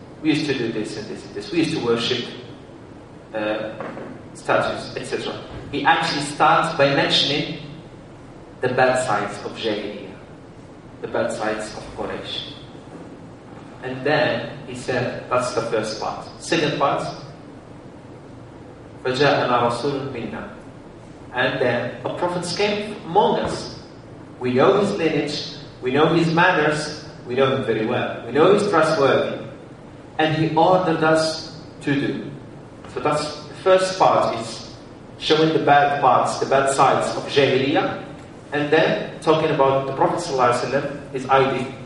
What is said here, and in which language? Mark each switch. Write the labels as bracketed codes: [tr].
[en] We used to do this and this and this. We used to worship statues, etc. He actually starts by mentioning the bad sides of Jahiliyyah, the bad sides of Quraysh. And then he said, that's the first part. Second part, [ar] فَجَاءَنَا رَسُولٌ مِنَّا. [en] And then a prophet came among us. We know his lineage, we know his manners, we know him very well. We know he's trustworthy. And he ordered us to do. So that's the first part, is showing the bad parts, the bad sides of Jahiliyyah, and then talking about the Prophet ﷺ, his ID.